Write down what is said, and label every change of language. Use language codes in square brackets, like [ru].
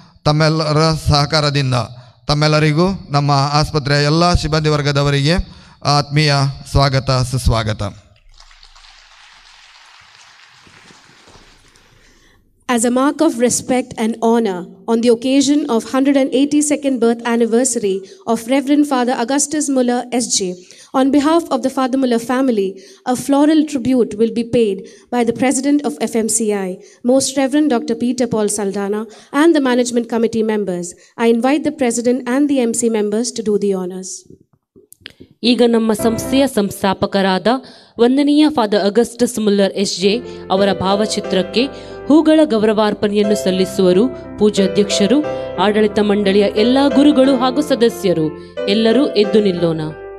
[kn] ತಮ್ಮೆಲ್ಲರ ಸಹಕಾರದಿಂದ ತಮ್ಮೆಲ್ಲರಿಗೂ ನಮ್ಮ ಆಸ್ಪತ್ರೆಯ ಎಲ್ಲ ಸಿಬ್ಬಂದಿ ವರ್ಗದವರಿಗೆ ಆತ್ಮೀಯ ಸ್ವಾಗತ ಸುಸ್ವಾಗತ. [en] As a mark of respect and honor, on the occasion of 182nd birth anniversary of Reverend Father Augustus Muller SJ, on behalf of the Father Muller family, a floral tribute will be paid by the President of FMCI, Most Reverend Dr. Peter Paul Saldana, and the Management Committee members. I invite the President and the MC members to do the honors. [kn] ಈಗ ನಮ್ಮ ಸಂಸ್ಥೆಯ ಸಂಸ್ಥಾಪಕರಾದ ವಂದನೀಯ father Augustus Muller SJ ಅವರ ಭಾವಚಿತ್ರಕ್ಕೆ ಹೂಗಳ ಗೌರವಾರ್ಪಣೆಯನ್ನು ಸಲ್ಲಿಸುವರು ಪೂಜಾಧ್ಯಕ್ಷರು, ಆಡಳಿತ ಮಂಡಳಿಯ ಎಲ್ಲ ಗುರುಗಳು ಹಾಗೂ ಸದಸ್ಯರು, ಎಲ್ಲರೂ ಎದ್ದು ನಿಲ್ಲೋಣ.